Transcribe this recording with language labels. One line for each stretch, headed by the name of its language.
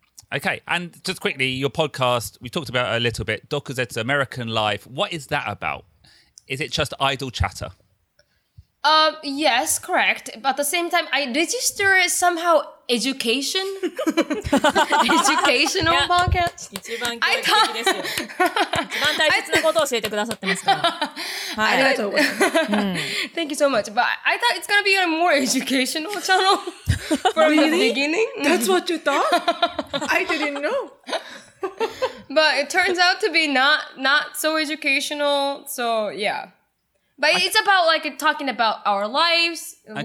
English: Okay, and just quickly, your podcast, we talked about a little bit, Dokuzetsu American Life. What is that about? Is it just idle chatter? Yes, correct. But at the same time, I register somehow education. Educational podcast.
Japanese: 一番大切なことを教えてくださってますから。ありがとうございます。
English: Thank you so much. But I thought it's going to be a more educational channel from really? The beginning. That's what you thought? I didn't know. But it turns out to be not so educational. So, yeah. But it's about like talking about our lives, okay.